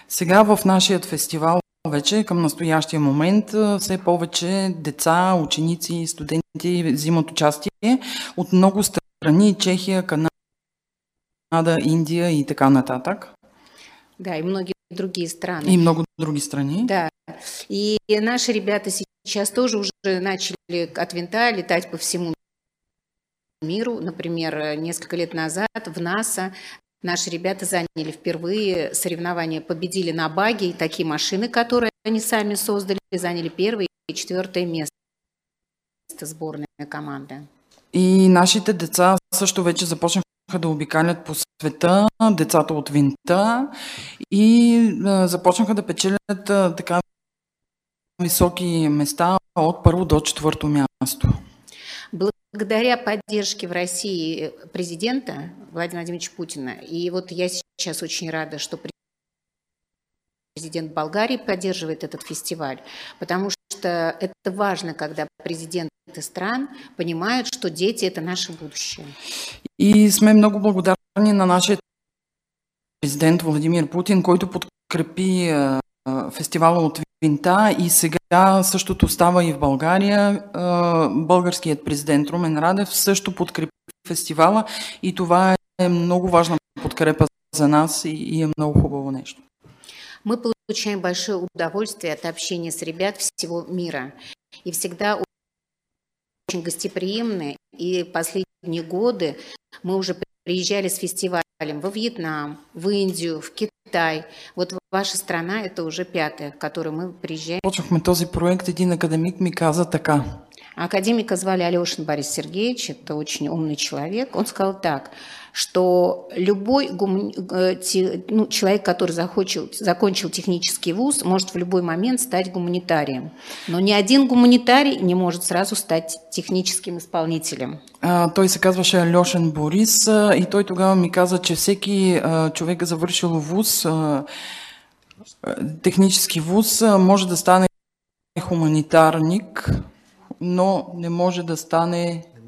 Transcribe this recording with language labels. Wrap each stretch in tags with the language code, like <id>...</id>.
<bg>Сега в нашия фестивал вече към настоящия момент все повече деца, ученици и студенти взимат участие от много страни: Чехия, Канада, Индия и така нататък.</bg> <ru>Да, и многие другие страны.</ru> <bg>И много други страни. Да.</bg> <ru>И наши ребята сейчас тоже уже начали от винта летать по всему миру. Например, несколько лет назад в НАСА наши ребята заняли впервые соревнования, победили на баге, и такие машины, которые они сами создали, заняли первое и четвертое место сборной команды.</ru> <bg>И наши деца също вече започнаха да обикалят по света, децата от винта, и започнаха да печелят така високи места от първо до четвърто място.</bg> <ru>Благодаря поддержке в России президента Владимира Владимировича Путина, и вот я сейчас очень рада, что президент Болгарии поддерживает этот фестиваль, потому что это важно, когда президенты стран понимают, что дети – это наше будущее.</ru> <bg>И сме много благодарни на нашия президент Владимир Путин, който подкрепи фестивала от винта, и сега същото става и в България. Българският президент Румен Радев също подкрепи фестивала, и това е много важна подкрепа за нас и е много хубаво нещо.</bg> <ru>Мы получаем большое удоволствие от общения с ребят всего мира. И всегда очень гостеприимны. И последние годы мы уже приезжали с фестивалем во Вьетнам, в Индию, в Китай. Вот ваша страна – это уже пятая, в которую мы приезжаем.</ru> <bg>Почнахме този проект, един академик ми каза така.</bg> <ru>Академика звали Алешин Борис Сергеевич, это очень умный человек. Он сказал так, что любой человек, который закончил технический вуз, может в любой момент стать гуманитарием. Но ни один гуманитарий не может сразу стать техническим исполнителем.</ru> <bg>Той се казваше Алешин Борис, и той тогава ми каза, че всеки човек, завършил вуз, технически вуз, може да стане хуманитарник, но не може да стане...</bg>